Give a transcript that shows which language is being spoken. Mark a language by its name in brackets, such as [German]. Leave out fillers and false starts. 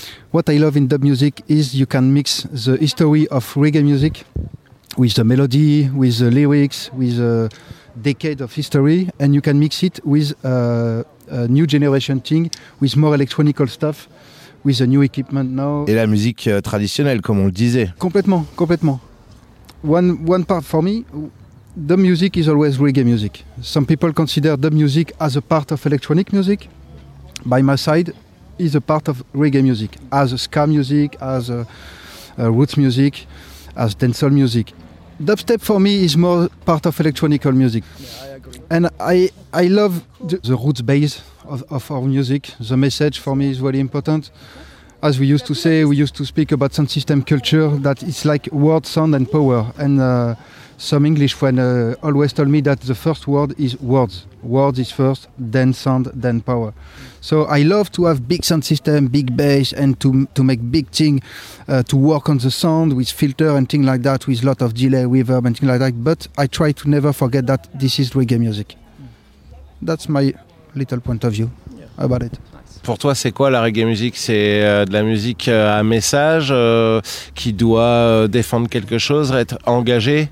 [English] What I love in dub music is you can mix the history of reggae music with the melody, with the lyrics, with a decade of history, and you can mix it with a new generation thing, with more electronical stuff, with a new equipment now. [French] Et la musique traditionnelle, comme on le disait. Complètement, complètement. [English] One part for me, dub music is always reggae music. Some people consider dub music as a part of electronic music. By my side, is a part of reggae music, as a ska music, as a roots music, as dancehall music. Dubstep for me is more part of electronic music. Yeah, I agree. And I love the roots base of our music. The message for me is very important. As we used to say, we used to speak about sound system culture, that it's like word, sound and power. And some English friend always told me that the first word is words. Words is first, then sound, then power. So I love to have big sound system, big bass, and to make big thing, to work on the sound with filter and things like that, with lot of delay, reverb and things like that. But I try to never forget that this is reggae music. That's my little point of view about it. [French] Pour toi, c'est quoi la reggae music? C'est de la musique à message qui doit défendre quelque chose, être engagé.